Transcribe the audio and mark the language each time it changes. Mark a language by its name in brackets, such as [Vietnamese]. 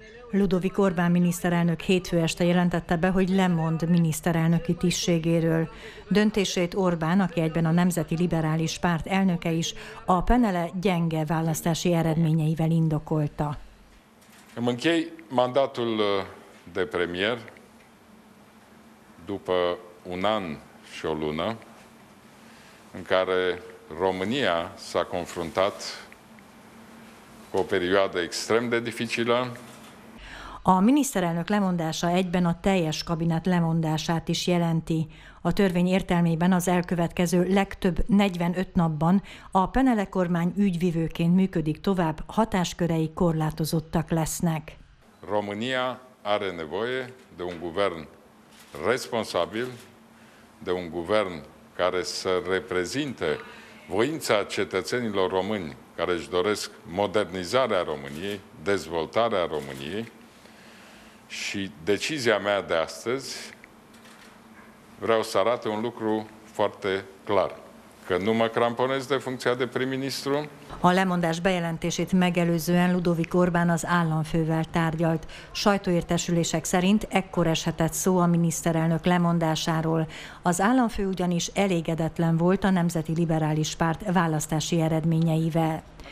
[Hungarian] Ludovik Orbán miniszterelnök hétfő este jelentette be, hogy lemond miniszterelnöki tisztségéről. Döntését Orbán, aki egyben a Nemzeti Liberális Párt elnöke is, a Penele gyenge választási eredményeivel indokolta. [Romanian] Mankei mandatul de premier, după un an și o lună, în care România s-a confruntat cu o perioadă extrem de dificilă. [Hungarian] A miniszterelnök lemondása egyben a teljes kabinet lemondását is jelenti. A törvény értelmében az elkövetkező legtöbb 45 napban a Penele kormány ügyvivőként működik tovább, hatásköreik korlátozottak lesznek. [Romanian] România are nevoie de un guvern responsabil, de un guvern care să reprezinte voința cetățenilor români care își doresc modernizarea României, dezvoltarea României. Și decizia mea de astăzi vreau să arăt un lucru foarte clar, că nu mă cramponez de funcția de prim-ministru. [Hungarian] A lemondás bejelentését megelőzően Ludovik Orbán az államfővel tárgyalt. Sajtóértesülések szerint ekkor eshetett szó a miniszterelnök lemondásáról. Az államfő ugyanis elégedetlen volt a Nemzeti Liberális Párt választási eredményeivel.